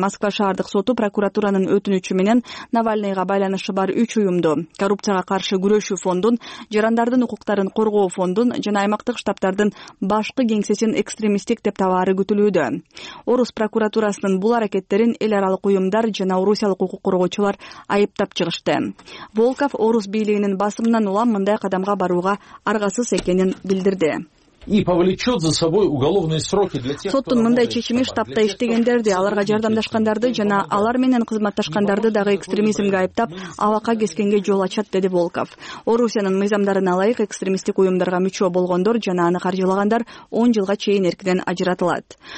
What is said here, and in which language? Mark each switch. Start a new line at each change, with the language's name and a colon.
Kyrgyz: Москва шаардык соту прокуратуранын өтүнүчү менен Навальныйга байланышы бар 3 уюмду, коррупцияга каршы күрөшүү фондун, жарандардын укуктарын коргоо фондун жана аймактык штабтардын башкы кеңсесин экстремисттик деп табары күтүлүүдө. Орус прокуратурасынын бул аракеттерин эл аралык уюмдар жана орусиялык укук коргоочулар айыптады. баштап чыгышты. Волков орус бийлигинин басымынан улам мындай кадамга барууга аргасыз экенин билдирди.
Russian: И повлечет за собой уголовные сроки для тех,
Kyrgyz: соттун мындай чечими штабта иштегендерди, аларга жардамдашкандарды жана алар менен кызматташкандарды дагы экстремизмге айыптап, абакка кескенге жол ачат, деди Волков. Орусиянын мыйзамдарына ылайык экстремисттик уюмдарга мүчө болгондор жана аны каржылагандар 10 жылга чейин эркинен ажыратылат.